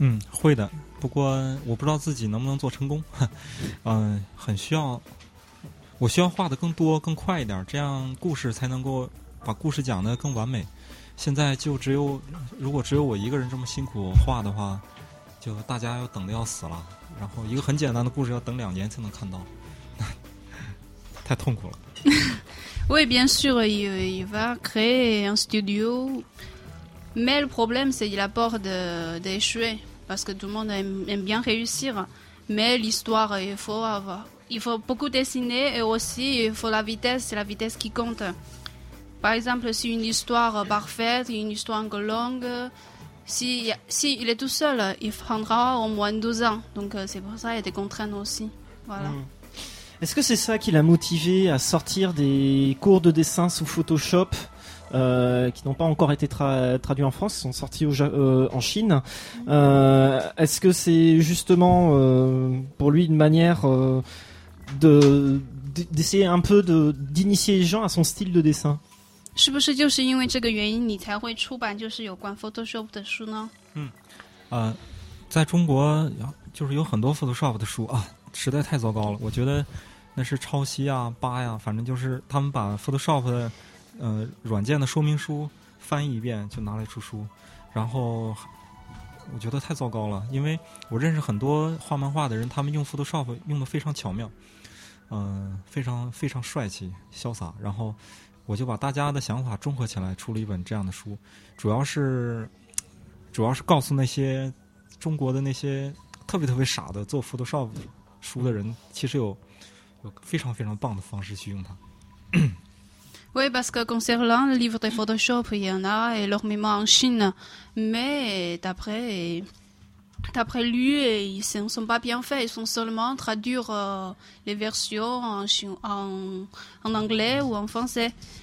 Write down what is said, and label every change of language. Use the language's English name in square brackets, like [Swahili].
[Chinese] 会的，不过我不知道自己能不能做成功。很需要，我需要画的更多更快一点，这样故事才能够把故事讲得更完美。现在就只有，如果只有我一个人这么辛苦画的话，就大家要等得要死了，然后一个很简单的故事要等两年才能看到，太痛苦了。 [French] Oui, bien sûr, il va créer un studio, mais le problème, c'est qu'il a peur d'échouer, parce que tout le monde aime bien réussir, mais l'histoire, il faut beaucoup dessiner, et aussi, il faut la vitesse, c'est la vitesse qui compte. Par exemple, si une histoire parfaite, une histoire longue,Si il est tout seul, il prendra au moins 12 ans. Donc c'est pour ça qu'il y a des contraintes aussi. Voilà. Est-ce que c'est ça qui l'a motivé à sortir des cours de dessin sous Photoshop, qui n'ont pas encore été traduits en France, sont sortis en Chine? Est-ce que c'est justement pour lui une manière d'essayer un peu d'initier les gens à son style de dessin ? [Chinese] 是不是就是因为这个原因你才会出版就是有关 Photoshop 的书呢？在中国就是有很多 Photoshop 的书啊，实在太糟糕了，我觉得那是抄袭啊扒呀，反正就是他们把 Photoshop 的软件的说明书翻译一遍就拿来出书，然后我觉得太糟糕了，因为我认识很多画漫画的人，他们用 Photoshop 用得非常巧妙，非常非常帅气潇洒，然后我就把大家的想法综合起来出了一本这样的书，主要是告诉那些中国的那些特别特别傻的做 Photoshop 书的人，其实有非常非常棒的方式去用它。 [French] Oui, parce que concernant le livre de Photoshop, il y en a énormément en Chine, mais d'après lui, ils ne sont pas bien faits. Ils sont seulement traduire les versions en anglais ou en français.